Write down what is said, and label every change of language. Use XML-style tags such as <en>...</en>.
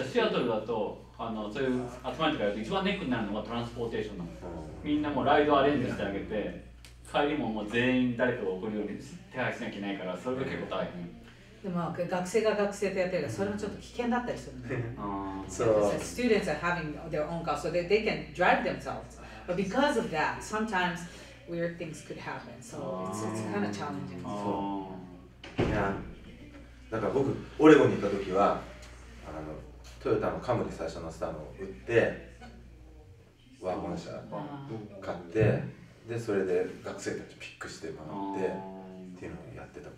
<ja>シアトルだと、そういう集まりとかやると、一番ネックになるのがトランスポーテーションなの。みんなもうライドアレンジしてあげて、帰りももう全員誰かが怒るように手配しなきゃいけないから、それが結構大変。でも学生が学生とやってるから、それもちょっと危険だったりするね。そう。</ja> <en>Students are having their own car, so they can drive themselves. But because of that, sometimes weird things could happen. So it's kind of challenging.</en> <ja>いや、だから僕、オレゴンに行った時は、トヨタのカムリ最初のスタンドを売って、ワゴン車買って、で、それで学生たちピックしてもらってっていうのをやってた。</ja>